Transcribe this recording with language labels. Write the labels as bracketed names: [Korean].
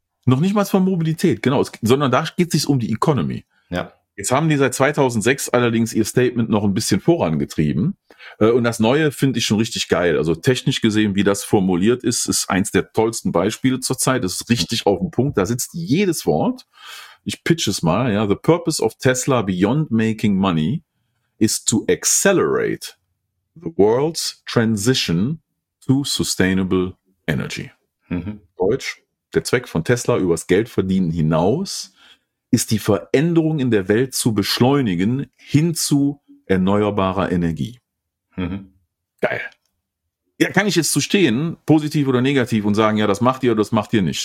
[German] Noch nicht mal von Mobilität, genau. Sondern da geht es sich um die Economy. Ja. Jetzt haben die seit 2006 allerdings ihr Statement noch ein bisschen vorangetrieben. Und das Neue finde ich schon richtig geil. Also technisch gesehen, wie das formuliert ist, ist eins der tollsten Beispiele zurzeit. Das ist richtig auf den Punkt. Da sitzt jedes Wort. Ich pitch es mal. [English] Ja, the purpose of Tesla beyond making money is to accelerate the world's transition to sustainable energy. Mhm. [German] Deutsch, der Zweck von Tesla übers Geldverdienen hinaus ist, die Veränderung in der Welt zu beschleunigen hin zu erneuerbarer Energie. Mhm. Geil. Ja, kann ich jetzt so stehen, positiv oder negativ, und sagen, ja, das macht ihr oder das macht ihr nicht.